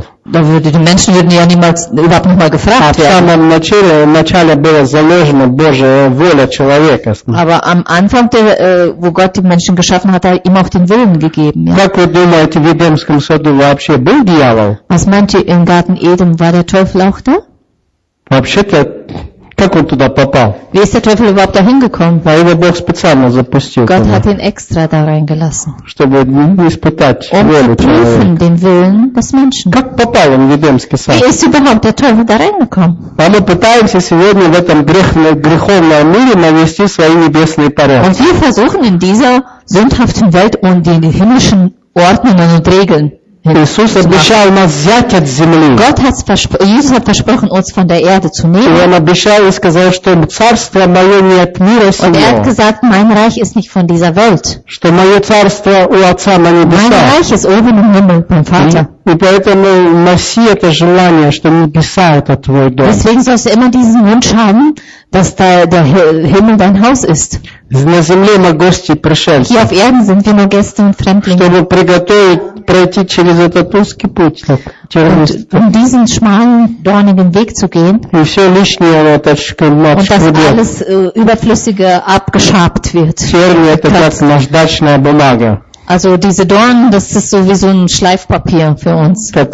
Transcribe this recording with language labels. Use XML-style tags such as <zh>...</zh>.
<de>Da würde die Menschen würden ja niemals überhaupt noch mal gefragt werden. Aber am Anfang, der, wo Gott die Menschen geschaffen hat, hat er ihm auf den Willen gegeben. Ja.</de> <ru>Как вы думаете, в Эдемском саду вообще был дьявол?</ru> <de>Was meint ihr, im Garten Eden war der Teufel auch da?</de> <ru>Вообще-то как он туда попал?</ru> <de>Wie ist der Teufel überhaupt da hingekommen? Weil</de> <ru>его Бог специально запустил.</ru> <de>Gott hat ihn extra da reingelassen.</de> <ru>Чтобы испытать волю человека.</ru> <de>Um den Willen des Menschen.</de> <ru>Как попал он в Эдемский сад?</ru> <de>Wie ist überhaupt der Teufel da reingekommen?</de> <ru>А мы пытаемся сегодня в этом греховном мире навести свои небесные порядки.</ru> <de>Und wir versuchen in dieser sündhaften Welt und in den himmlischen Ordnungen und Regeln.</de> <ru>Иисус обещал нас взять от земли.</ru> <de>Jesus hat versprochen, uns von der Erde zu nehmen.</de> <ru>И он обещал и сказал, что царство мое не от мира сего.</ru> <de>Und er hat gesagt, mein Reich ist nicht von dieser Welt.</de> <ru>Что мое царство у Отца на небесах.</ru> <de>Mein Reich ist oben im Himmel, beim Vater.</de> <ru>И поэтому носи это желание, что небеса это твой дом.</ru> <de>Deswegen sollst du immer diesen Wunsch haben, dass der Himmel dein Haus ist.</de> <ru>На земле мы гости и пришельцы.</ru> <de>Hier auf Erden sind wir nur Gäste und Fremdlinge.</de> <ru>Чтобы приготовить, пройти через этот узкий путь. Так,</ru> <de>und, um diesen schmalen, dornigen Weg zu gehen.</de> <ru>И все лишнее, вот, это,</ru> <de>und dass alles überflüssige abgeschabt wird.</de> <ru>Черный, это как наждачная бумага.</ru> <de>Also diese Dornen, das ist so wie so ein Schleifpapier für uns.</de>